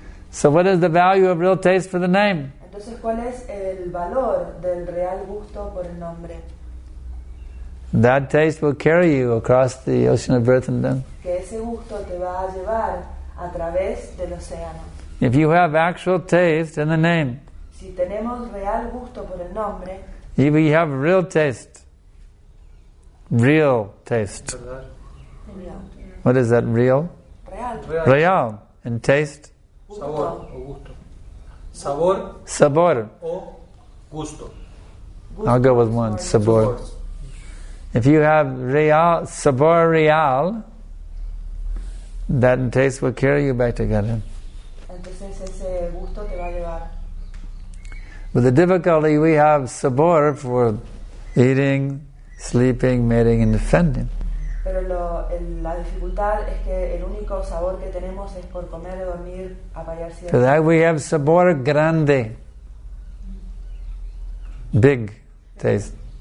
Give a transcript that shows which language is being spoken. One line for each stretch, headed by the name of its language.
English: So what is the value of real taste for the name?
Spanish: Entonces, ¿cuál es el valor del real gusto por el nombre?
English: That taste will carry you across the ocean of birth and death.
Spanish: Que ese gusto te va a llevar a través del océano.
English: If you have actual taste in the name,
Spanish: si tenemos real gusto por el nombre,
English: if we have real taste, real taste. Real. What is that, real? Real. Real. And taste?
Spanish: Sabor. Sabor. Sabor. O gusto.
English: I'll go with one. Sabor. If you have real,
Spanish: sabor real,
English: That taste will carry you back to Godhead.
Spanish: Entonces ese gusto te va a llevar.
English: But the difficulty we have sabor for eating, sleeping, mating, and defending.
Spanish: Pero la dificultad es que el único sabor que tenemos es por comer, dormir, apayarse.
English: For that we have
Spanish: sabor grande,
English: big taste.